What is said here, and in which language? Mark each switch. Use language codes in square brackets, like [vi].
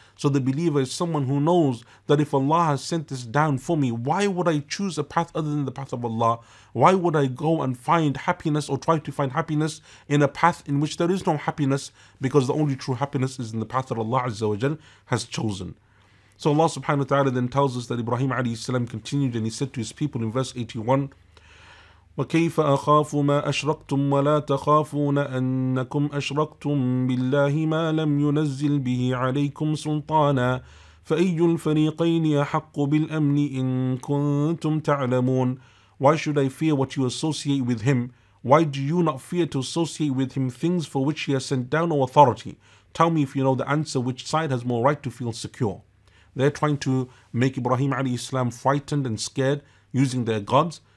[en] So the believer is someone who knows that if Allah has sent this down for me, why would I choose a path other than the path of Allah? Why would I go and find happiness or try to find happiness in a path in which there is no happiness, because the only true happiness is in the path that Allah Azza wa Jal has chosen. So Allah subhanahu wa ta'ala then tells us that Ibrahim alayhi salam continued and he said to his people in verse 81, [ar] وَكَيْفَ أَخَافُ مَا أَشْرَكْتُمْ وَلَا تَخَافُونَ أَنَّكُمْ أَشْرَكْتُمْ بِاللَّهِ مَا لَمْ يُنَزِّلْ بِهِ عَلَيْكُمْ سُلْطَانًا فَأَيُّ الْفَرِيقَيْنِ أَحَقُّ بِالْأَمْنِ إِن كُنْتُمْ تَعْلَمُونَ. [en] Why should I fear what you associate with him? Why do you not fear to associate with him things for which he has sent down no authority? Tell me if you know the answer, which side has more right to feel secure? They're trying to make Ibrahim alayhi salam frightened and scared using their gods.